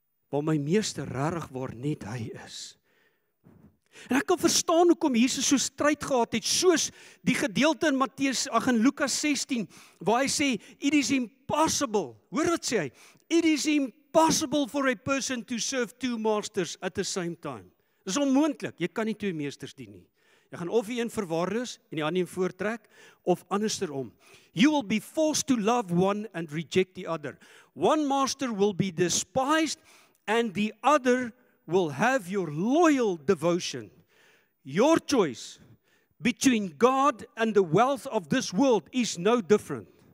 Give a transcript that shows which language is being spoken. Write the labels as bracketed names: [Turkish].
[Afrikaans] Waar my meester regtig waar net hy is. En ek kan verstaan hoekom Jesus so stryd gehad het, soos die gedeelte in Lukas 16, waar hy sê, [English] it is impossible, [Afrikaans] hoor wat sê hy, [English] it is impossible for a person to serve two masters at the same time. [Afrikaans] Dit is onmoontlik, jy kan nie twee meesters dien nie. Jy gaan of die een verwaarloos en die ander een voortrek, of andersom. [English] You will be forced to love one and reject the other. One master will be despised and the other will have your loyal devotion. Your choice between God and the wealth of this world is no different.